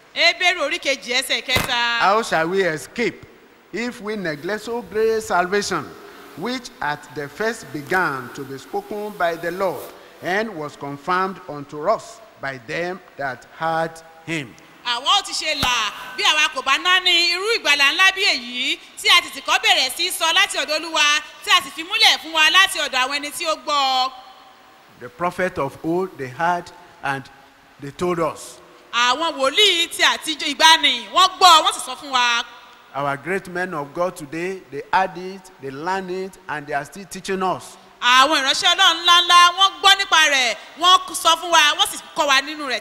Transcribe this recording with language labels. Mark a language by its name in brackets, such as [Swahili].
[English] How shall we escape if we neglect so great salvation, which at the first began to be spoken by the Lord, and was confirmed unto us by them that heard him? [Yoruba] Àwọn ti ṣe là bí àwa kò bá ná ní irú ìgbàlà ńlá bí èyí tí a ti kọ́ bẹ̀rẹ̀ sí sọ láti ọ̀dọ̀ Olúwa tí a sì fi múlẹ̀ fún wa láti ọ̀dọ̀ àwọn ẹni tí ó gbọ́. [English] The prophet of old, they heard and they told us. [Yoruba] Àwọn wòlíì ti àtijọ́ ìgbàanì wọ́n gbọ́ wọ́n sì sọ fún wa. [English] Our great men of God today, they heard it, they learned it, and they are still teaching us. [Yoruba] Àwọn ìránṣẹ́ Ọlọ́run ńláńlá wọ́n gbọ́ nípa rẹ̀ wọ́n sọ fún wa wọ́n sì kọ́ wa nínú rẹ̀